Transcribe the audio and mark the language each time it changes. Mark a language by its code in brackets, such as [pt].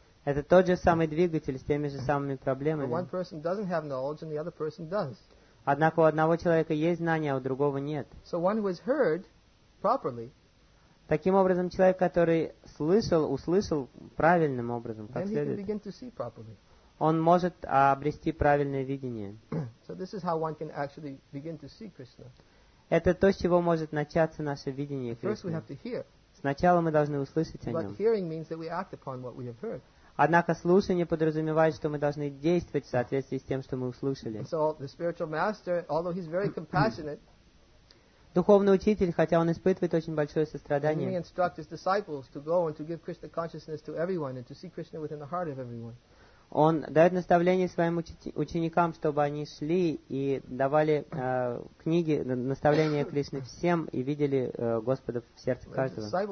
[ru] Это тот же самый двигатель с теми же самыми проблемами. [en] But one person doesn't have knowledge and the other person does. [ru] Однако у одного человека есть знание, а у другого нет. [en] So one who has heard properly, [ru] таким образом, человек, который услышал правильным образом, как [en] then [ru] следует, [en] he can begin to see properly. [ru] Он может обрести правильное видение. [en] So this is how one can actually begin to see Krishna. [ru] Это то, с чего может начаться наше видение Кришны. Сначала мы должны услышать о нем. [en] Hearing means that we act upon what we have heard. [ru] Однако слушание подразумевает, что мы должны действовать в соответствии с тем, что мы услышали. [en] So the spiritual master, although he's very compassionate, [ru] духовный учитель, хотя он испытывает очень большое сострадание, [en] he instructs his disciples to go and to give Krishna consciousness to everyone and to see Krishna within the heart of everyone. [ru] Он дает наставление своим ученикам, чтобы они шли и давали книги, наставления Кришны всем и видели Господа в сердце каждого.